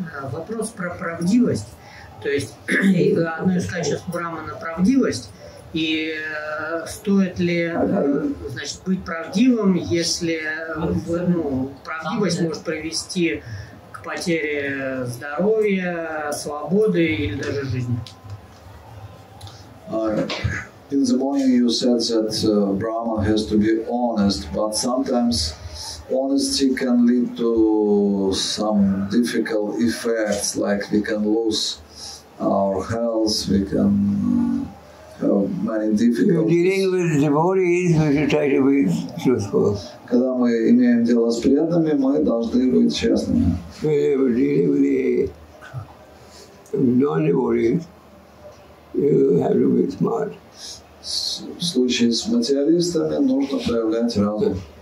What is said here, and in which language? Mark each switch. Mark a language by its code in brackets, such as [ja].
[ru] Вопрос про правдивость. То есть, одно из качеств брахмана – правдивость. И стоит ли, значит, быть правдивым, если, ну, правдивость может привести к потере здоровья, свободы или даже жизни? [en] In the morning you said that Brahman has to be honest, but sometimes honesty can lead to some difficult effects, like we can lose our health, we can have many difficulties. You're dealing with devotees, we should try to be truthful. [ru] Когда мы имеем дело с преданными, мы должны быть честными. [en] We're dealing with the non-devotees, you have to be smart. [ru] В случае с материалистами нужно проявлять разум.